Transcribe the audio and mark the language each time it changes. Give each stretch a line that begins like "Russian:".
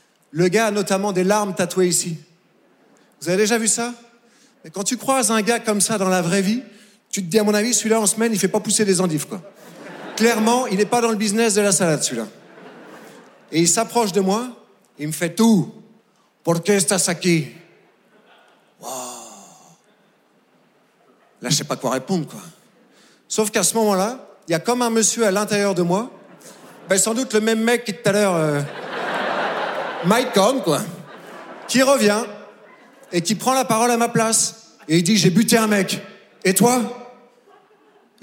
French: Le gars a notamment des larmes tatouées ici. Vous avez déjà vu ça ? Mais quand tu croises un gars comme ça dans la vraie vie, tu te dis, à mon avis, celui-là, en semaine, il fait pas pousser des endives, quoi. Clairement, il n'est pas dans le business de la salade, celui-là. Et il s'approche de moi, il me fait tout.
Spanish: « Por qué estás aquí ? » Waouh !
French: Là, je sais pas quoi répondre, quoi. Sauf qu'à ce moment-là, il y a comme un monsieur à l'intérieur de moi, ben sans doute le même mec qui tout à l'heure, Mike Cohn, quoi, qui revient et qui prend la parole à ma place. Et il dit, j'ai buté un mec. Et toi ?